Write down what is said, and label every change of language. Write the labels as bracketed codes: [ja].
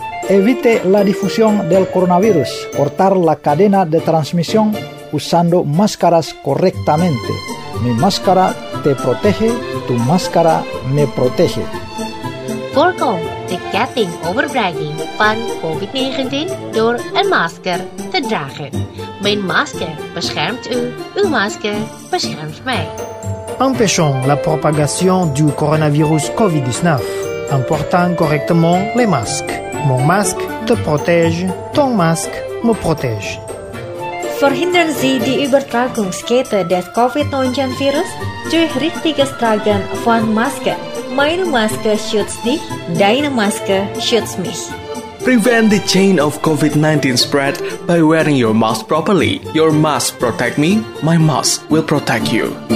[es] Evite la difusión del coronavirus. Cortar la cadena de transmisión usando máscaras correctamente. Mi máscara te protege, tu máscara me protege. [nl] Voorkom de ketting overbrenging van COVID-19 door een masker te dragen. Mijn masker beschermt u, uw masker beschermt mij. [fr] Empêchons la propagation du coronavirus COVID-19 en portant correctement les masques. Mon masque te protège, ton masque me protège. [de] Verhinderen Sie die Übertragungskette des COVID-19 Virus durch richtiges Tragen von Masken. Meine Maske schützt dich, deine Maske schützt mich. [en] Prevent the chain of COVID-19 spread by wearing your mask properly. Your mask protect me, my mask will protect you.